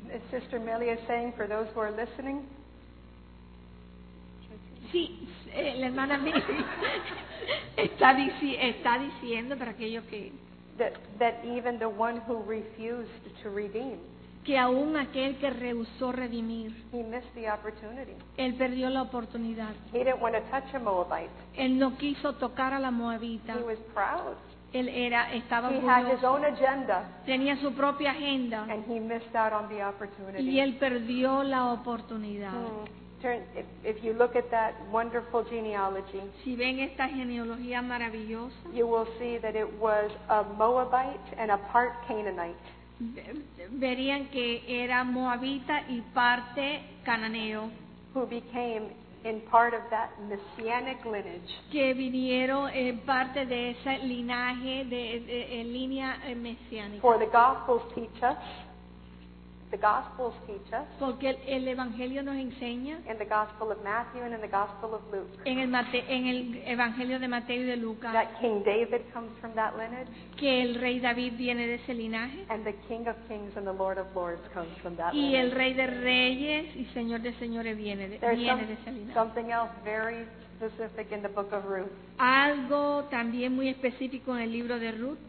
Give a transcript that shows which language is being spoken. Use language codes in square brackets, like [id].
[en] Sister Millie is saying, for those who are listening. [es] Sí, la hermana Millie está diciendo para aquellos que... [en] That even the one who refused to redeem. [es] Que aún aquel que rehusó redimir, [en] he missed the opportunity. [es] Él perdió la oportunidad. [en] He didn't want to touch a Moabite. [es] Él no quiso tocar a la moabita. [en] He was proud. [es] Él era, estaba [en] he had his own agenda. [es] Tenía su propia agenda. [en] And he missed out on the opportunity. [es] Y él perdió la oportunidad. [en] If you look at that wonderful genealogy, [es] si ven esta genealogía maravillosa, [en] you will see that it was a Moabite and a part Canaanite. [es] Verían que era moabita y parte cananeo, [en] who became in part of that messianic lineage, [es] que vinieron en parte de ese linaje de línea mesiánica. [en] For the gospels teach us, the gospels teach us, [es] porque el evangelio nos enseña, [en] in the gospel of Matthew and in the gospel of Luke, [es] en el evangelio de Mateo y de Lucas, [en] that King David comes from that lineage, [es] que el rey David viene de ese linaje, [en] and the King of Kings and the Lord of Lords comes from that [es] y [en] lineage, [es] y el rey de reyes y señor de señores viene de ese linaje. [en] Something else very specific in the book of Ruth. [es] Algo también muy específico en el libro de Ruth.